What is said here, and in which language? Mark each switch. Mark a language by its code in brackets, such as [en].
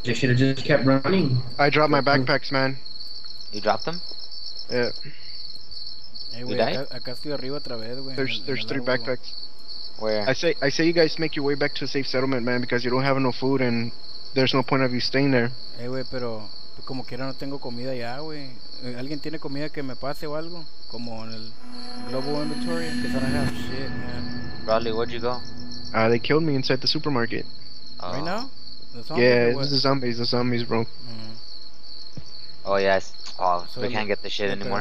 [en] You should have just kept running. I dropped my backpacks, man. You dropped them? Yeah. Hey, wait, there's 3 backpacks. Where? I say you guys make your way back to a safe settlement, man, because you don't have no food and there's no point of you staying there. [es] Hey, wey, pero como quiera no tengo comida ya, wey. ¿Alguien tiene comida que me pase o algo? Como en el [en] global inventory, because I don't have shit, man. Bradley, where'd you go? They killed me inside the supermarket. Oh. Right now? The zombies, bro. Mm-hmm. Oh, yes. Oh, so we can't get the shit anymore.